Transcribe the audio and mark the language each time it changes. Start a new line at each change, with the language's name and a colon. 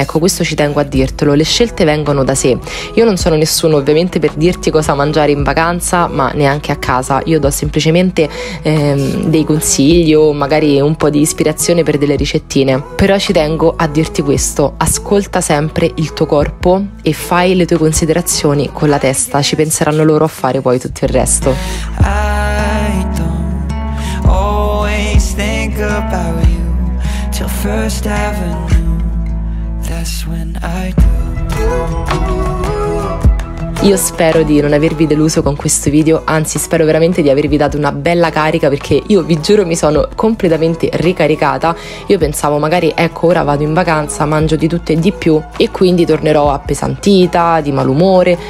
Italian: Ecco, questo ci tengo a dirtelo: le scelte vengono da sé. Io non sono nessuno ovviamente per dirti cosa mangiare in vacanza, ma neanche a casa. Io do semplicemente dei consigli o magari un po' di ispirazione per delle ricettine, però ci tengo a dirti questo: ascolta sempre il tuo corpo e fai le tue considerazioni con la testa, ci penseranno loro a fare poi tutto il resto.
English: I don't always think about you till First Avenue, that's when I do.
Italian: Io spero di non avervi deluso con questo video, anzi spero veramente di avervi dato una bella carica, perché io vi giuro mi sono completamente ricaricata. Io pensavo magari, ecco, ora vado in vacanza, mangio di tutto e di più e quindi tornerò appesantita, di malumore.